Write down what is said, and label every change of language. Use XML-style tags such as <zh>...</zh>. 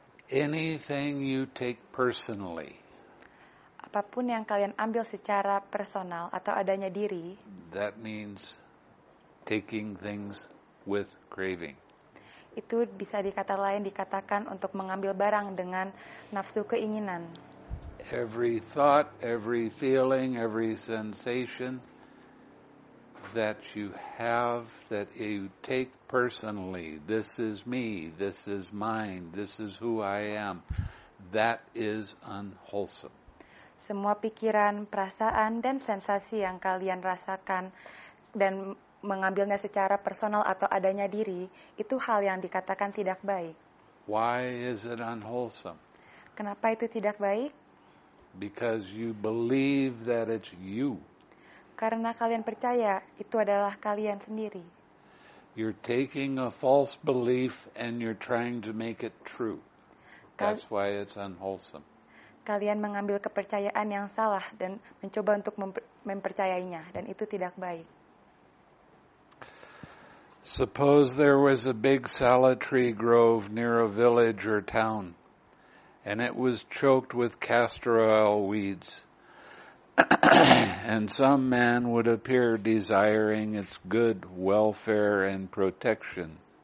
<en>Anything you take personally.</en> <id>Apapun yang kalian ambil secara personal atau adanya diri.</id> <en>That means taking things with craving.</en> <id>Itu bisa dikata lain dikatakan untuk mengambil barang dengan nafsu keinginan.</id> <en>Every thought, every feeling, every sensation that you have, that you take personally, this is me, this is mine, this is who I am, that is unwholesome.</en> <id>Semua pikiran, perasaan, dan sensasi yang kalian rasakan dan mengambilnya secara personal atau adanya diri, itu hal yang dikatakan tidak baik.</id> <en>Why is it unwholesome?</en> <id>Kenapa itu tidak baik?</id> <en>Because you believe that it's you.</en> <id>Karena kalian percaya itu adalah kalian sendiri.</id> <en>You're taking a false belief and you're trying to make it true. That's why it's unwholesome.</en> <id>Kalian mengambil kepercayaan yang salah dan mencoba untuk mempercayainya dan itu tidak baik.</id> <en>Suppose there was a big salad tree grove near a village or town and it was choked with castor oil weeds. And some man would appear desiring its good welfare and protection.</en>